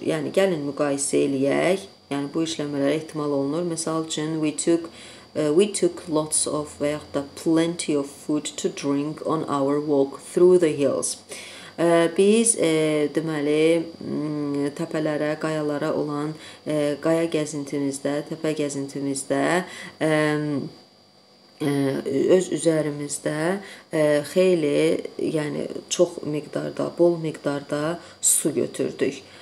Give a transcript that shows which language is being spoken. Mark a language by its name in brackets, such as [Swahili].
[Azerbaijani] Yəni, gəlin müqayisə eləyək. Yəni, bu işlənmələrə ehtimal olunur. Məsəl üçün, [English] we took We took lots of [Azerbaijani] veyahut [English] plenty of food to drink on our walk through the hills. [Azerbaijani] Biz deməli təpələrə, qayalara olan qaya gəzintimizdə, təpə gəzintimizdə öz üzərimizdə xeyli, yəni çox miqdarda, bol miqdarda su götürdük.